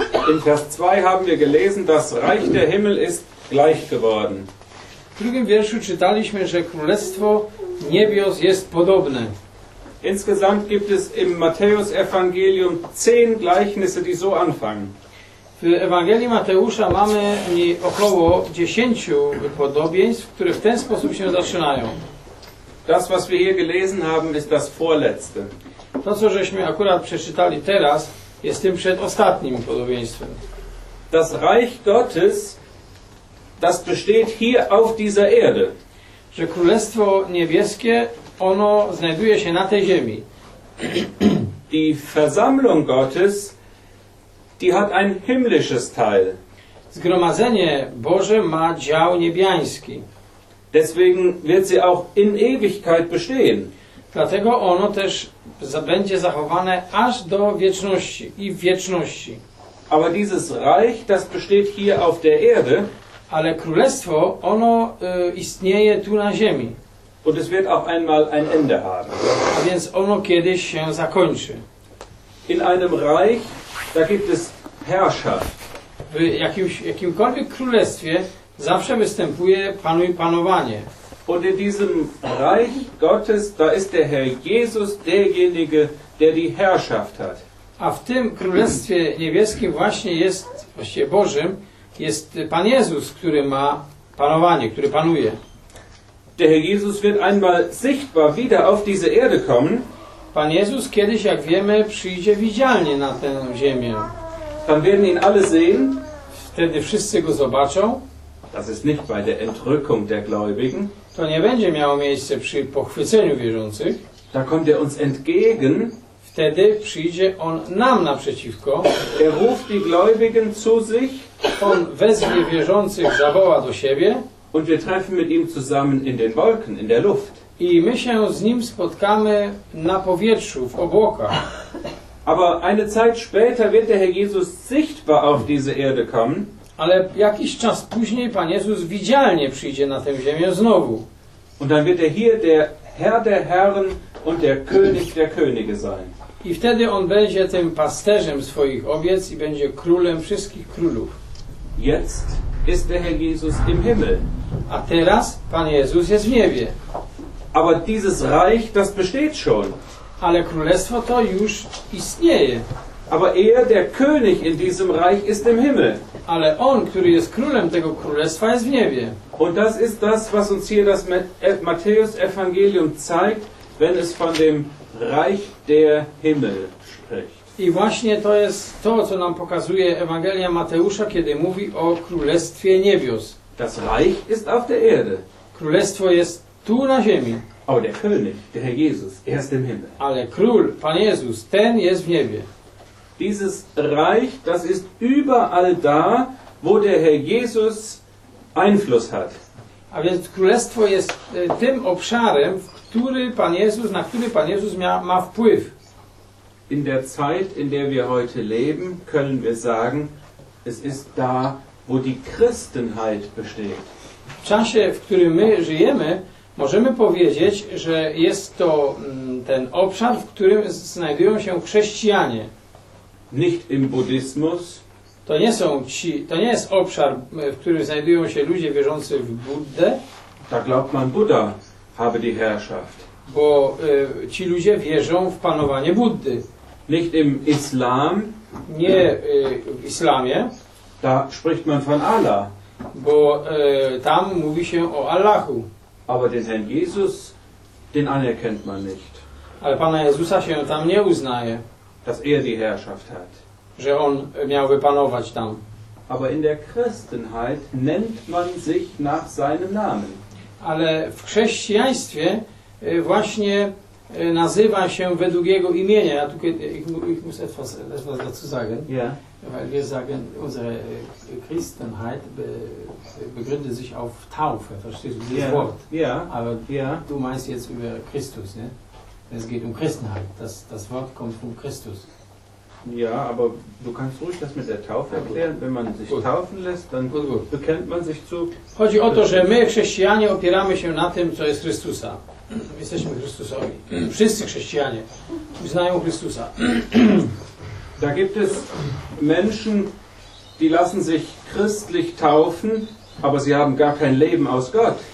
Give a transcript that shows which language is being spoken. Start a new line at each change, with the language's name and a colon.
German: In Vers 2 haben wir gelesen, das Reich der Himmel ist gleich geworden.
Polish: W drugim wierszu czytaliśmy, że Królestwo Niebios jest podobne.
German: Insgesamt gibt es im Matthäus Evangelium 10 Gleichnisse, die so anfangen.
Polish: W Ewangelii Mateusza mamy około 10 podobieństw, które w ten sposób się zaczynają.
German: Das, was wir hier gelesen haben, ist das vorletzte.
Polish: To, co żeśmy akurat przeczytali teraz, jest tym przedostatnim podobieństwem.
German: Das Reich Gottes, das besteht hier auf dieser Erde.
Polish: Że Królestwo Niebieskie, ono znajduje się na tej ziemi.
German: Die Versammlung Gottes, die hat ein himmlisches Teil.
Polish: Zgromadzenie Boże ma dział niebiański.
German: Deswegen wird sie auch in Ewigkeit bestehen.
Polish: Dlatego ono też będzie zachowane aż do wieczności i w wieczności.
German: Aber dieses Reich, das besteht hier auf der Erde,
Polish: ale królestwo, ono istnieje tu na ziemi.
German: Und es wird auch einmal ein Ende haben.
Polish: A więc ono kiedyś się zakończy.
German: In einem Reich, da gibt es Herrschaft.
Polish: W jakimkolwiek królestwie zawsze występuje panuj panowanie.
German: Und in diesem Reich Gottes, da ist der Herr Jesus derjenige, der die Herrschaft hat.
Polish: A w tym Królestwie Niebieskim właśnie jest, właściwie Bożym, jest Pan Jezus, który ma panowanie, który panuje.
German: Der Herr Jesus wird einmal sichtbar wieder auf diese Erde kommen.
Polish: Pan Jezus kiedyś, jak wiemy, przyjdzie widzialnie na tę ziemię.
German: Dann werden ihn alle sehen.
Polish: Wtedy wszyscy go zobaczą.
German: Das ist nicht bei der Entrückung der Gläubigen.
Polish: To nie będzie miało miejsce przy pochwyceniu wierzących.
German: Da kommt er uns entgegen.
Polish: Wtedy przyjdzie on nam naprzeciwko.
German: Er ruft die Gläubigen zu sich.
Polish: On wezwie wierzących, zawoła do siebie.
German: Und wir treffen mit ihm zusammen in den Wolken, in der Luft.
Polish: I my się z nim spotkamy na powietrzu, w obłokach.
German: Aber eine Zeit später wird der Herr Jesus sichtbar auf diese Erde kommen.
Polish: Ale jakiś czas później Pan Jezus widzialnie przyjdzie na tę ziemię znowu.
German: Und dann wird er hier der Herr der Herren und der König der Könige sein.
Polish: I wtedy on będzie tym pasterzem swoich owiec i będzie królem wszystkich królów.
German: Jetzt ist der Herr Jesus im Himmel.
Polish: A teraz Pan Jezus jest w niebie.
German: Aber dieses Reich, das besteht schon.
Polish: Ale królestwo to już istnieje.
German: Aber er, der König in diesem Reich, ist im Himmel.
Polish: Ale on, który jest królem tego królestwa, jest w niebie.
German: Und das ist das, was uns hier das Matthäus-Evangelium zeigt, wenn es von dem Reich der Himmel spricht.
Polish: I właśnie to jest to, co nam pokazuje Ewangelia Mateusza, kiedy mówi o Królestwie Niebios.
German: Das Reich ist auf der Erde.
Polish: Królestwo jest tu na ziemi.
German: Aber der König, der Herr Jesus, er ist im Himmel.
Polish: Ale Król, Pan Jezus, ten jest w niebie.
German: Dieses Reich, das ist überall da, wo der Herr Jesus Einfluss hat.
Polish: A więc Królestwo jest tym obszarem, w który Pan Jezus, na który Pan Jezus ma wpływ.
German: In der Zeit, in der wir heute leben, können wir sagen, es ist da, wo die Christenheit besteht.
Polish: W czasie, w którym my żyjemy, możemy powiedzieć, że jest to ten obszar, w którym znajdują się chrześcijanie.
German: Nicht im Buddhismus.
Polish: To nie są ci, to nie jest obszar, w którym znajdują się ludzie wierzący w Buddę.
German: Da glaubt man, Buddha habe die Herrschaft.
Polish: Bo ci ludzie wierzą w panowanie Buddy.
German: Nicht im Islam.
Polish: Nie w Islamie.
German: Da spricht man von Allah.
Polish: Bo tam mówi się o Allahu.
German: Aber den Herrn Jesus, den anerkennt man nicht.
Polish: Ale Pana Jezusa się tam nie uznaje.
German: Dass er die Herrschaft hat.
Polish: Że on miałby panować tam.
German: Aber in der Christenheit nennt man sich nach seinem Namen.
Polish: Ale w chrześcijaństwie właśnie nazywa się według jego imienia. Ja tutaj
German: ich muss etwas dazu sagen. Ja. Weil wir sagen, unsere Christenheit begründet sich auf Taufe, verstehst du dieses ja. Wort? Ja. Aber ja. Du meinst jetzt über Christus, ne? Es geht um Christenheit. Das Wort kommt von Christus. Ja, aber du kannst ruhig das mit der Taufe erklären. Wenn man sich taufen lässt, dann bekennt man sich zu...
Polish: Chodzi o to, że my, chrześcijanie, opieramy się na tym, co jest Chrystusa. Jesteśmy Chrystusowi. Wszyscy chrześcijanie uznają Chrystusa.
German: Da gibt es Menschen, die lassen sich christlich taufen, aber sie haben gar kein Leben aus Gott.